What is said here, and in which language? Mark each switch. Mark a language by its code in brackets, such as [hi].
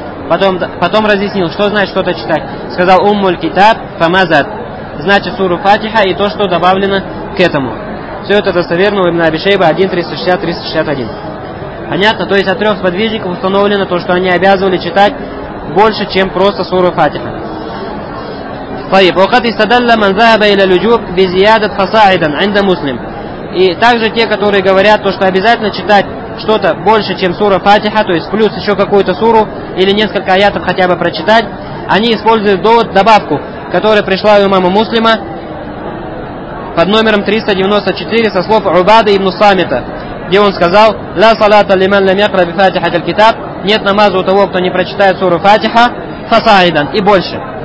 [ru] Потом разъяснил, что значит что-то читать. Сказал [ar] уммуль китаб фамазат, [ru] значит суру Фатиха и то, что добавлено к этому. Все это достоверно у ибн Аби Шейба 1.360-361. Понятно? То есть от трех сподвижников установлено то, что они обязывали читать больше, чем просто суру Фатиха. [ar] طيب وقد استدل من ذهب الى الوجوب بزياده فصاعدا عند مسلم. [ru] И также те, которые говорят, то, что обязательно читать что-то больше, чем сура Фатиха, то есть плюс еще какую-то суру или несколько аятов хотя бы прочитать, они используют довод, добавку, которая пришла у имама Муслима под номером 394 со слов Убады ибн Самита, где он сказал: [ar] ля салата лиман лям якра би фатихат аль-китаб, [ru] нет намаза у того, кто не прочитает суру Фатиха [ar] фасаидан [ru] и больше.